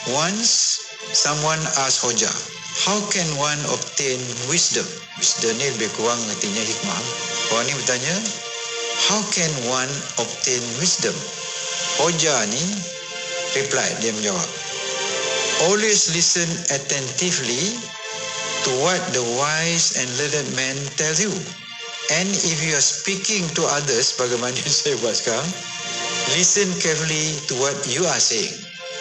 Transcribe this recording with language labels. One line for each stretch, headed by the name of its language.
English: Once someone asked Hoja, how can one obtain wisdom?
Malay: Wisdom ni lebih kurang artinya hikmah. Orang ni bertanya,
English: how can one obtain wisdom? Hoja ni reply,
Malay: dia menjawab,
English: always listen attentively to what the wise and learned man tells you. And if you are speaking to others,
Malay: bagaimana saya buat sekarang,
English: listen carefully to what you are saying.